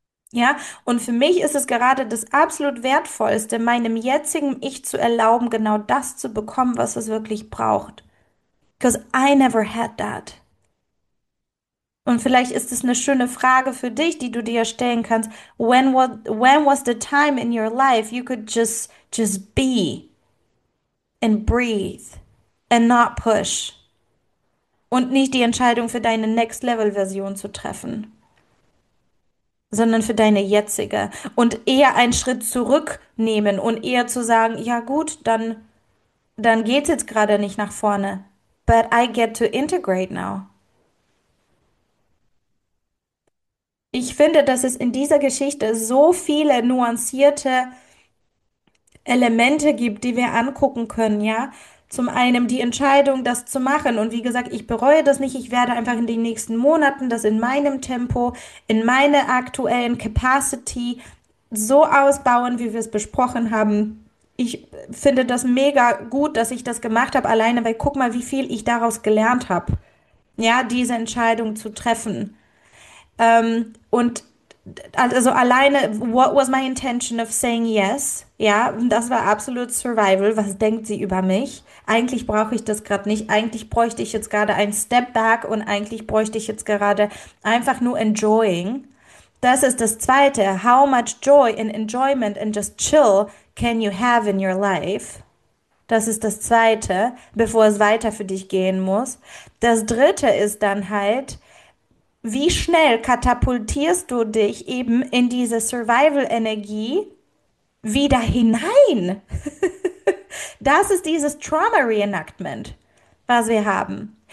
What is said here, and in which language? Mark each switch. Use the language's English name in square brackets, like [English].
[German] Ja, und für mich ist es gerade das absolut Wertvollste, meinem jetzigen Ich zu erlauben, genau das zu bekommen, was es wirklich braucht. [English] Because I never had that. [German] Und vielleicht ist es eine schöne Frage für dich, die du dir stellen kannst. [English] When was the time in your life you could just be? And breathe and not push. [German] Und nicht die Entscheidung für deine Next Level Version zu treffen, sondern für deine jetzige. Und eher einen Schritt zurücknehmen und eher zu sagen, ja gut, dann geht's jetzt gerade nicht nach vorne. [English] But I get to integrate now. [German] Ich finde, dass es in dieser Geschichte so viele nuancierte Elemente gibt, die wir angucken können, ja. Zum einen die Entscheidung, das zu machen. Und wie gesagt, ich bereue das nicht. Ich werde einfach in den nächsten Monaten das in meinem Tempo, in meiner aktuellen Capacity so ausbauen, wie wir es besprochen haben. Ich finde das mega gut, dass ich das gemacht habe, alleine, weil guck mal, wie viel ich daraus gelernt habe, ja, diese Entscheidung zu treffen. Also alleine, [English] what was my intention of saying yes? [German] Ja, das war absolut Survival. Was denkt sie über mich? Eigentlich brauche ich das gerade nicht. Eigentlich bräuchte ich jetzt gerade ein Step back und eigentlich bräuchte ich jetzt gerade einfach nur enjoying. Das ist das Zweite. [English] How much joy and enjoyment and just chill can you have in your life? [German] Das ist das Zweite, bevor es weiter für dich gehen muss. Das Dritte ist dann halt, wie schnell katapultierst du dich eben in diese Survival-Energie wieder hinein? Das ist dieses Trauma-Reenactment, was wir haben.